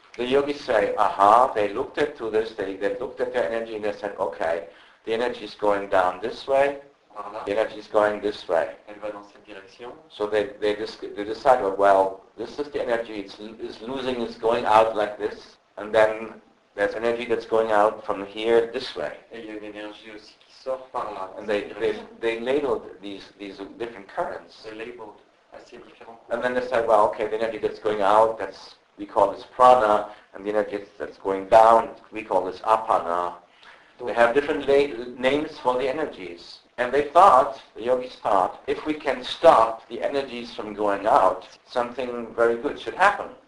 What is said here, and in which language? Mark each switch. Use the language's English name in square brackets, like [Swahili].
[English] The yogis say, aha, they looked into this, they looked at their energy and they said, okay, the energy is going down this way. The energy is going this way. [French] Elle va dans cette direction. [English] So they decide, well, this is the energy, it's losing, it's going out like this, and then there's energy that's going out from here this way. [French] Et il y a une énergie aussi qui sort par là. [English] And they labeled these different currents. They labeled [French] assez différents courants. [English] And then they said, well, okay, the energy that's going out, we call this prana, and the energy that's going down, we call this apana. They have different names for the energies. And they thought, the yogis thought, if we can stop the energies from going out, something very good should happen.